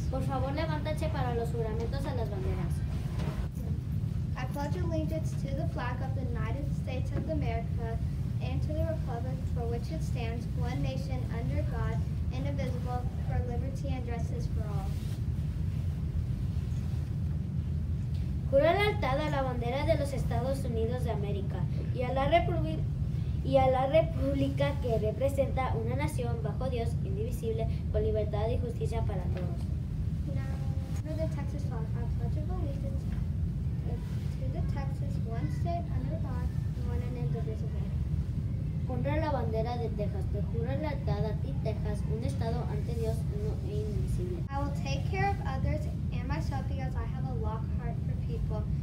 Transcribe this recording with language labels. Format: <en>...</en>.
<es>Por favor, levántate para los juramentos a las banderas.</es> <en>I pledge allegiance to the flag of the United States of America and to the republic for which it stands, one nation under God, indivisible, for liberty and justice for all.</en> <es>Juro lealtad a la bandera de los Estados Unidos de América y a la república que representa una nación bajo Dios, indivisible, con libertad y justicia para todos.</es> <en>Now, for the Texas flag, I pledge allegiance to the Texas, one state under God, one and indivisible.</en> <es>Honro la bandera de Texas, te juro lealtad a ti, Texas, un estado ante Dios, uno e indivisible.</es> <en>I will take care of others and myself because I have a lock heart for people.</en>